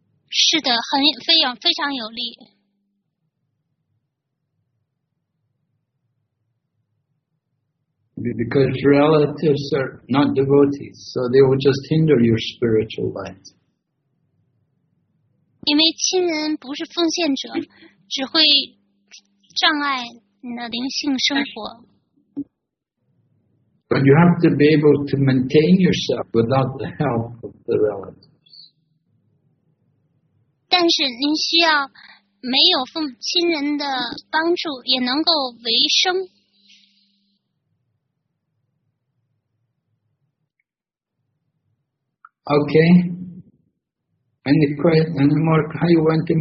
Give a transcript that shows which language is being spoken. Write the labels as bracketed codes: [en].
[zh] 是的，很非常有利。 [en] Because relatives are not devotees, so they will just hinder your spiritual life. [zh] 因为亲人不是奉献者，只会障碍你的灵性生活。 [en] But you have to be able to maintain yourself without the help of the relatives. [zh] 但是您需要没有亲人的帮助也能够维生。 [en] Okay. Any questions? Any more? How you want him?